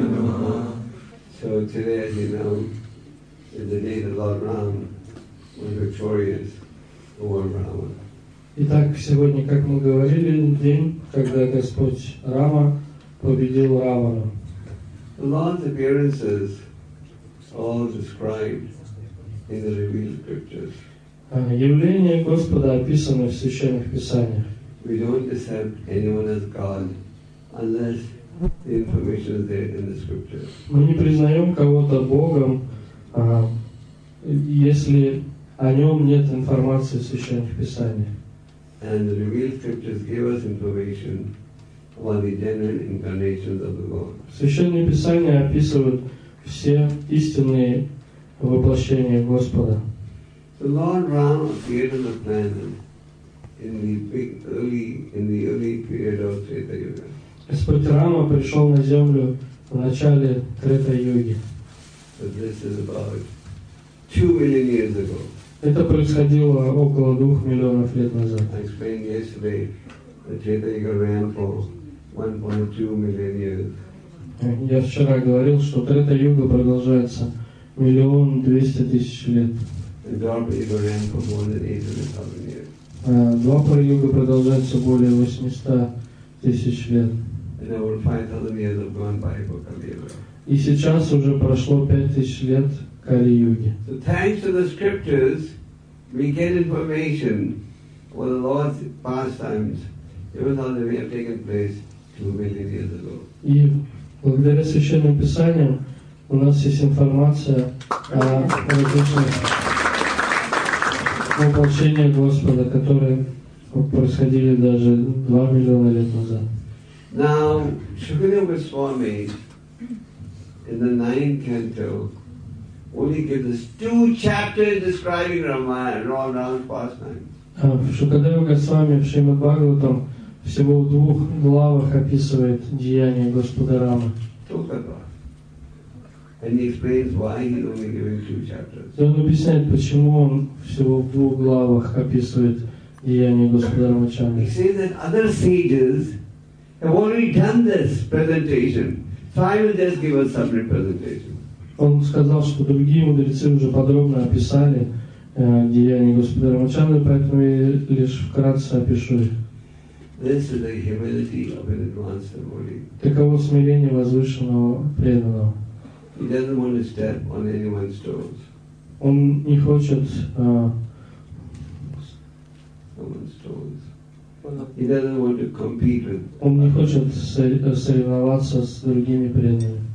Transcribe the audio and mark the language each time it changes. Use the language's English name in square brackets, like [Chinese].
[English] So today, as you know, is the day that Lord Ram was victorious over Rama. [Russian] Итак, сегодня, как мы говорили, день, когда Господь Рама победил Равана. [English] The Lord's appearances all described in the revealed scriptures. [Russian] Явления Господа описаны в Священных Писаниях. [English] We don't accept anyone as God unless the information is there in the scriptures. [Russian] Мы не признаем кого-то Богом, если о нем нет информации в Священных Писаниях. [English] And the revealed scriptures give us information about the genuine incarnations of the Lord. [Russian] Священные Писания описывают все истинные воплощения Господа. [English] The Lord Ram appeared on the planet in the early period of Treta Yuga. [Russian] Господь Рама пришел на землю в начале Трета Юги. [English] So this is about 2 million years ago. [Russian] Это происходило около 2 миллионов лет назад. [English] I explained yesterday that Treta Yuga ran for 1.2 million years. [Russian] Я вчера говорил, что Трета Юга продолжается 1,200,000 лет. [English] The Dwapara Yuga ran for more than 800,000 years. [Russian] Двапара Юга продолжается более 800,000 лет. [English] And over 5,000 years have gone by for Kali Yuga. [Russian] И сейчас уже прошло 5,000 лет Кали-Юги. [English] So thanks to the scriptures, we get information for the Lord's pastimes, even though they may have taken place 2 million years ago. [Russian] И благодаря Священным Писаниям у нас есть информация о различных воплощения Господа, которые происходили даже 2 миллиона лет назад. [English] Now, Shukadeva Goswami in the 9th canto only gives us 2 chapters describing Ram's pastimes. [Russian] Shukadeva Goswami в Шримад Бхагаватам всего в 2 главах описывает деяния Господа Рамы. [English] And he explains why he's only given 2 chapters. [Russian] И он объясняет, почему он всего в 2 главах описывает деяния Господа Рамачандры. [English] He says that other sages have already done this presentation, so I will just give a summary presentation. [Russian] Он сказал, что другие мудрецы уже подробно описали деяния Господа Рамачандры, поэтому я лишь вкратце опишу их. [English] This is the humility of an advanced devotee. [Russian] Таково смирение возвышенного преданного. [English] He doesn't want to step on anyone's toes. [Russian] Он не хочет [English] someone's toes. He doesn't want to compete with. [Russian] Он не хочет соревноваться с другими преданными.